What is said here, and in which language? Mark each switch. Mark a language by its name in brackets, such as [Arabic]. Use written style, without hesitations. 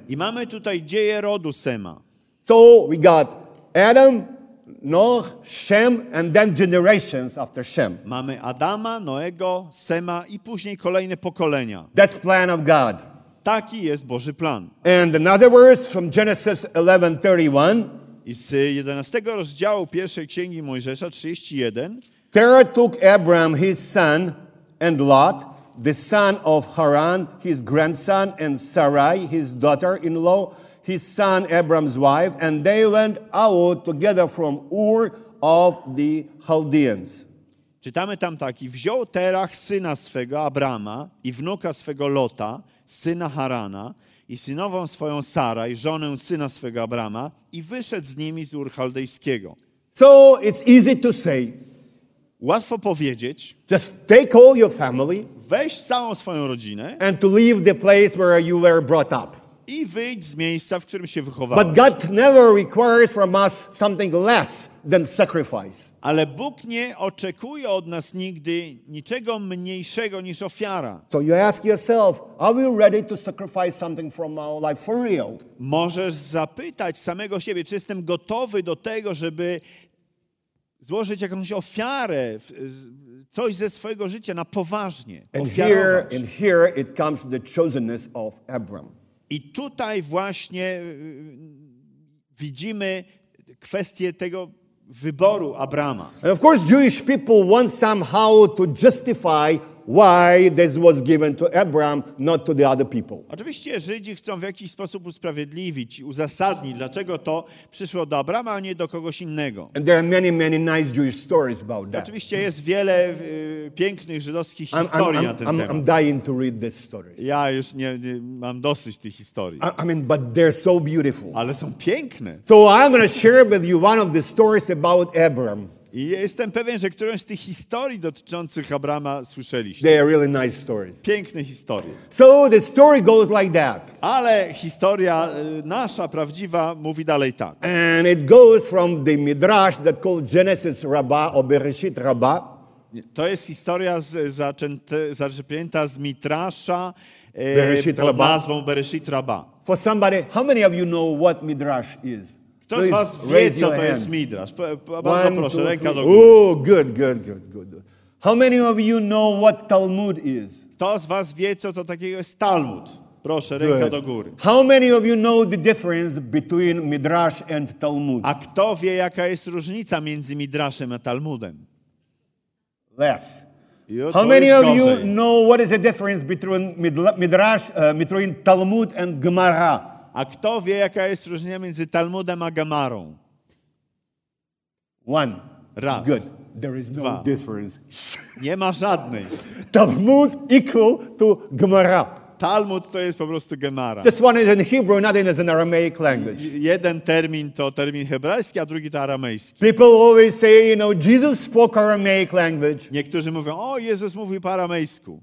[Polish] I mamy tutaj dzieje rodu Sema. [English] So we got Adam, Noah, Shem, and then generations after Shem. [Polish] Mamy Adama, Noego, Sema i później kolejne pokolenia. [English] That's plan of God. [Polish] Taki jest Boży plan. [English] And another verse from Genesis 11:31. [Polish] I z 11 rozdziału pierwszej Księgi Mojżesza, 31. [English] Terah took Abram, his son, and Lot, the son of Haran, his grandson, and Sarai, his daughter-in-law, his son Abram's wife, and they went out together from Ur of the Chaldeans. [Polish] Czytamy tam tak, i wziął Terah syna swego Abrama i wnuka swego Lota, syna Harana, i synową swoją Saraj, żonę syna swego Abrama, i wyszedł z nimi z Ur Chaldejskiego. [English] So it's easy to say. [Polish] Łatwo powiedzieć. [English] Just take all your family. [Polish] Weź całą swoją rodzinę. [English] And to leave the place where you were brought up. [Polish] I wyjdź z miejsca, w którym się wychowałeś. [English] But God never requires from us something less than sacrifice. [Polish] Ale Bóg nie oczekuje od nas nigdy niczego mniejszego niż ofiara. [English] So you ask yourself, are we ready to sacrifice something from our life for real? [Polish] Możesz zapytać samego siebie, czy jestem gotowy do tego, żeby złożyć jakąś ofiarę, coś ze swojego życia na poważnie. [English] And here it comes the chosenness of Abram. [Polish] I tutaj właśnie widzimy kwestię tego wyboru Abrama. [English] And of course Jewish people want somehow to justify why this was given to Abram, not to the other people. [Polish] Oczywiście Żydzi chcą w jakiś sposób usprawiedliwić, uzasadnić, dlaczego to przyszło do Abrama, a nie do kogoś innego. [English] And there are many, many nice Jewish stories about that. [Polish] Oczywiście jest wiele pięknych żydowskich historii na ten temat. [English] I'm dying to read this story. [Polish] Ja już nie mam dosyć tych historii. [English] I mean, but they're so beautiful. [Polish] Ale są piękne. [English] So I'm going to share with you one of the stories about Abram. [Polish] I jestem pewien, że którąś z tych historii dotyczących Abrama słyszeliście. [English] They are really nice stories. [Polish] Piękne historie. [English] So the story goes like that. [Polish] Ale historia nasza, prawdziwa, mówi dalej tak. [English] And it goes from the Midrash that called Genesis Rabbah or Bereshit Rabbah. [Polish] To jest historia zaczerpnięta z Midrasha pod nazwą Bereshit Rabbah. [English] For somebody, how many of you know what Midrash is? [Polish] Kto z was wie, co to jest Midrasz? Bardzo proszę, ręka do góry. [English] Oh, good, good, good, good. How many of you know what Talmud is? [Polish] Kto z was wie, co to takiego jest Talmud? Proszę, ręka do góry. [English] How many of you know the difference between Midrash and Talmud? [Polish] A kto wie, jaka jest różnica między Midraszem a Talmudem? [English] Less. How many of you know what is the difference between Midrash, between Talmud and Gemara? [Polish] A kto wie, jaka jest różnica między Talmudem a Gemarą? [English] One. [Polish] Raz. [English] Good. There is no difference. [Polish] Nie ma żadnej. [English] Talmud equal to Gemara. [Polish] Talmud to jest po prostu Gemara. [English] This one is in Hebrew, another is in Aramaic language. [Polish] Jeden termin to termin hebrajski, a drugi to aramejski. [English] People always say, you know, Jesus spoke Aramaic language. [Polish] Niektórzy mówią, o, Jezus mówi po aramejsku.